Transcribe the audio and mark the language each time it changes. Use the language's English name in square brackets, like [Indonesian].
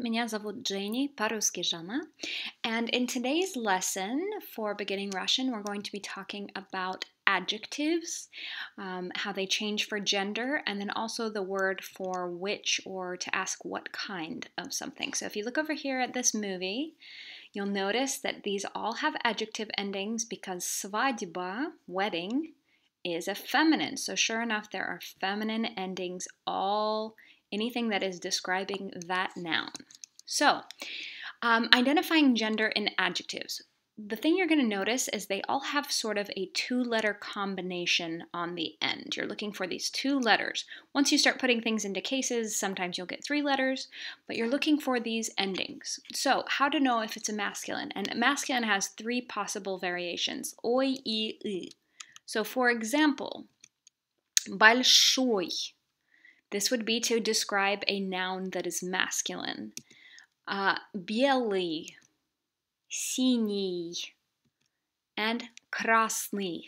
[Russian] Меня зовут Дженни, по-русски Жанна. [English] And in today's lesson for beginning Russian, we're going to be talking about adjectives, how they change for gender, and then also the word for which or to ask what kind of something. So if you look over here at this movie, you'll notice that these all have adjective endings because свадьба, wedding, is a feminine. So sure enough, there are feminine endings all anything that is describing that noun. So, identifying gender in adjectives. The thing you're going to notice is they all have sort of a two-letter combination on the end. You're looking for these two letters. Once you start putting things into cases, sometimes you'll get three letters, but you're looking for these endings. So, how to know if it's a masculine? And masculine has three possible variations. Ой, и, и. So, for example, большой. This would be to describe a noun that is masculine. [Russian] Белый, синий, and красный.